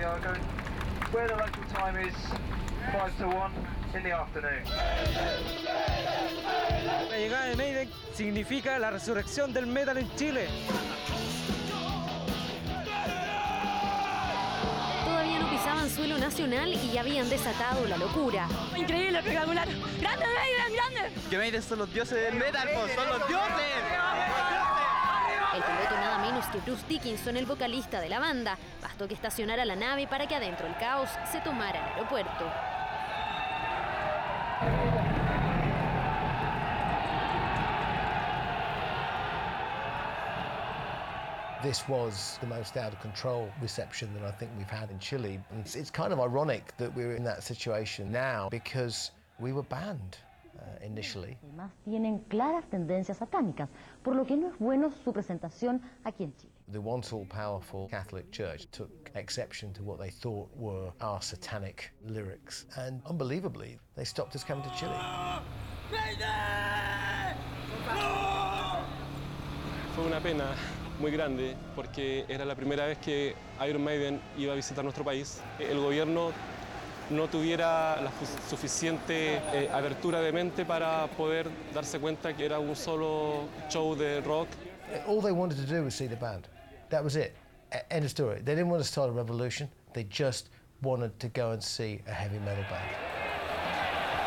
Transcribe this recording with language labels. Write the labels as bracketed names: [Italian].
[English] Where the local time is 5 to 1 in the afternoon. [Spanish] La llegada de Maiden significa la resurrección del metal en Chile. Todavía no pisaban suelo nacional y ya habían desatado la locura. Increíble, espectacular. ¡Grande Maiden, grande! Que Maiden son los dioses del metal, pues, son los dioses. El piloto nada menos que Bruce Dickinson, el vocalista de la banda. Bastó que estacionara la nave para que adentro el caos se tomara el aeropuerto. [English] This was the most out of control reception that I think we've had in Chile. And it's kind of ironic that we're in that situation now because we were banned initially. [Spanish] Además, tienen claras tendencias satánicas, por lo que no es bueno su presentación aquí en Chile. [English] The once all-powerful Catholic Church took exception to what they thought were our satanic lyrics, and unbelievably, they stopped us coming to Chile. [Spanish] Fue una pena muy grande porque era la primera vez que Iron Maiden iba a visitar nuestro país. El gobierno no tuviera la suficiente abertura de mente para poder darse cuenta que era un solo show de rock. [English] All they wanted to do was see the band. That was it. End of story. They didn't want to start a revolution. They just wanted to go and see a heavy metal band.